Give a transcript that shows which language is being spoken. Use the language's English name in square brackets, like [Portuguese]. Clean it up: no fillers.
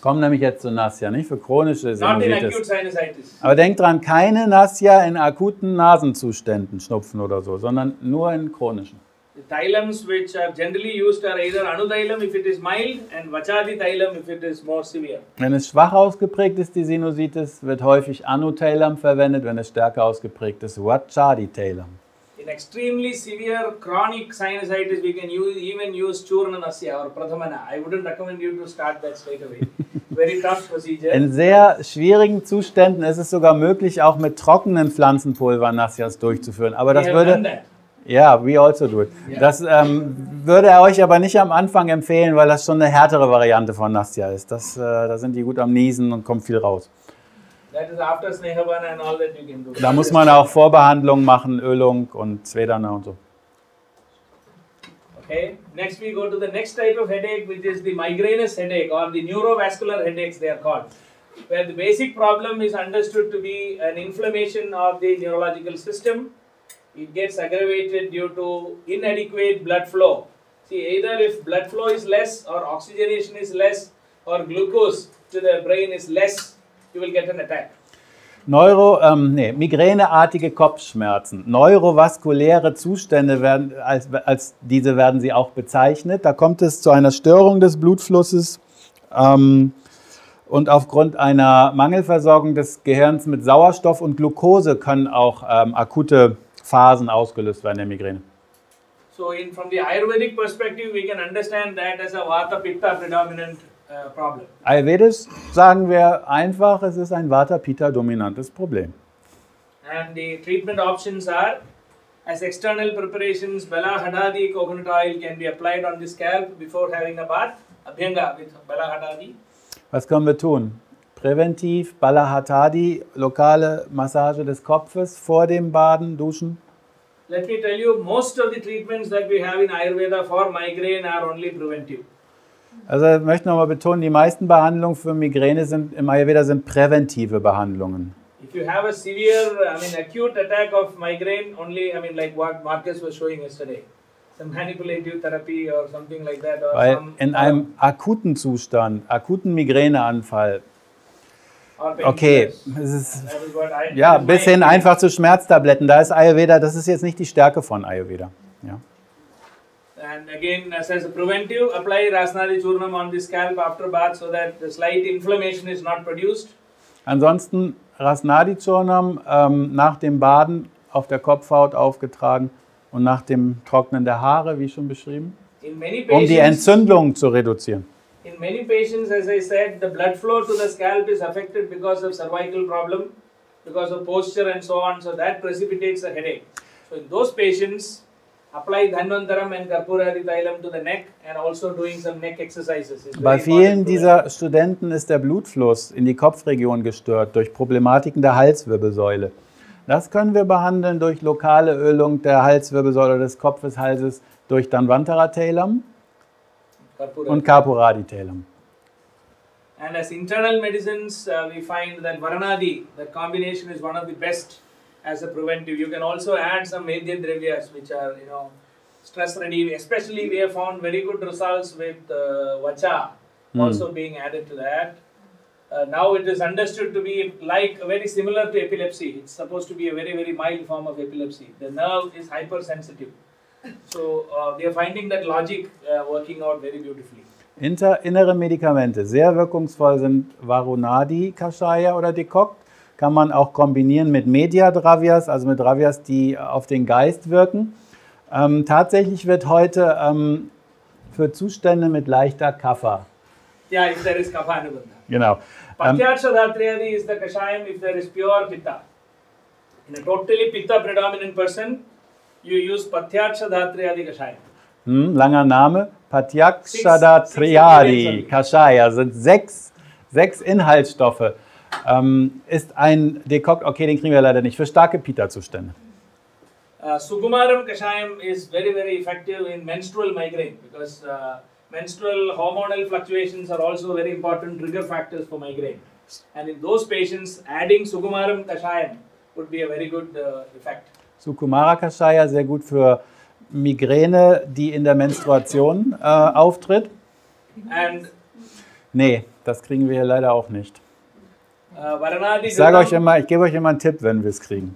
[German] Kommen nämlich jetzt zu nasya, nicht für chronische [English] Sinusitis. Not in acute sinusitis. [German] Aber denk dran, keine nasya in akuten Nasenzuständen, Schnupfen oder so, sondern nur in chronischen. [English] The thylums which are generally used are either anuthylum if it is mild and vachadithylum if it is more severe. [German] Wenn es schwach ausgeprägt ist, die Sinusitis, wird häufig anuthylum verwendet, wenn es stärker ausgeprägt ist, vachadithylum. [English] In extremely severe chronic sinusitis, we can even use churnanasya or prathamana. I wouldn't recommend you to start that straight away. Very tough procedure. [German] In sehr schwierigen Zuständen ist es sogar möglich, auch mit trockenen Pflanzenpulver nasyas durchzuführen. Aber das würde... Ja, [English] yeah, we also do it. Yeah. [German] Das würde er euch aber nicht am Anfang empfehlen, weil das schon eine härtere Variante von Nasya ist. Das, da sind die gut am Niesen und kommt viel raus. [English] That is after Snehavana and all that you can do. [German] Da muss man auch Vorbehandlungen machen, Ölung und Svedana und so. [English] Okay, next we go to the next type of headache, which is the migraineous headache or the neurovascular headaches, they are called. Where the basic problem is understood to be an inflammation of the neurological system. It gets aggravated due to inadequate blood flow. See, either if blood flow is less or oxygenation is less or glucose to the brain is less, you will get an attack. [German] Migräneartige Kopfschmerzen. Neurovaskuläre Zustände werden als diese werden sie auch bezeichnet. Da kommt es zu einer Störung des Blutflusses. Und aufgrund einer Mangelversorgung des Gehirns mit Sauerstoff und Glucose können auch akute Phasen ausgelöst werden der Migräne. [English] So in from the Ayurvedic perspective we can understand that as a Vata Pitta predominant problem. [German] Ayurvedisch sagen wir einfach, es ist ein Vata Pitta dominantes Problem. [English] And the treatment options are as external preparations Bala Hadadi coconut oil can be applied on the scalp before having a bath, Abhyanga with Bala Hadadi. [German] Was können wir tun? Präventiv, Balahatadi, lokale Massage des Kopfes vor dem Baden, Duschen. [English] Let me tell you, most of the treatments that we have in Ayurveda for migraine are only preventive. [German] Also ich möchte nochmal betonen, die meisten Behandlungen für Migräne sind im Ayurveda sind präventive Behandlungen. [English] If you have a severe, I mean acute attack of migraine, only, I mean like what Marcus was showing yesterday. Some manipulative therapy or something like that. Or [German] weil [English] some, [German] in einem akuten Zustand, akuten Migräneanfall, okay, es ist ja bis hin einfach zu Schmerztabletten. Da ist Ayurveda, das ist jetzt nicht die Stärke von Ayurveda. Ja. [English] And again, as a preventive, apply Rasnadi Churnam on the scalp after bath, so that the slight inflammation is not produced. [German] Ansonsten Rasnadi Churnam nach dem Baden auf der Kopfhaut aufgetragen und nach dem Trocknen der Haare, wie schon beschrieben, um die Entzündung zu reduzieren. [English] In many patients, as I said, the blood flow to the scalp is affected because of cervical problem, because of posture and so on. So that precipitates a headache. So in those patients, apply Dhanvantaram and Karpuradi Thailam to the neck and also doing some neck exercises. [German] Bei vielen dieser Studenten ist der Blutfluss in die Kopfregion gestört durch Problematiken der Halswirbelsäule. Das können wir behandeln durch lokale Ölung der Halswirbelsäule des Kopfes, Halses durch Dhanvantara Thailam. Und Kapuradi Telam. [English] And as internal medicines, we find that Varanadi, that combination is one of the best as a preventive. You can also add some Vedya Dravyas, which are, you know, stress relief. Especially, we have found very good results with Vacha also being added to that. Now it is understood to be like very similar to epilepsy. It's supposed to be a very, very mild form of epilepsy. The nerve is hypersensitive. So we are finding that logic working out very beautifully. [German] Innere Medikamente, sehr wirkungsvoll sind Varunadi, Kashaya oder Decoct. Kann man auch kombinieren mit Medhyadravyas, also mit Dravyas, die auf den Geist wirken. Tatsächlich wird heute für Zustände mit leichter Kapha. [English] Yeah, if there is Kapha Anubandha. [German] Genau. [English] Pathyatshadhatriyadi is the kashayam if there is pure pitta. In a totally pitta predominant person, you use Pathyatshadhatriyadi kashayam. [German] Langer Name, Pathyakshadatriyadi, Kashaya, sind sechs Inhaltsstoffe, ist ein Dekokt, okay, den kriegen wir leider nicht, für starke Pitta-Zustände. [English] Sugumaram Kashayam is very, very effective in menstrual migraine, because menstrual hormonal fluctuations are also very important trigger factors for migraine. And in those patients, adding Sugumaram Kashayam would be a very good effect. [German] Sugumara Kashaya, sehr gut für Migräne, die in der Menstruation auftritt. [English] And [German] nee, das kriegen wir hier leider auch nicht. Ich sage euch immer, ich gebe euch immer einen Tipp, wenn wir es kriegen.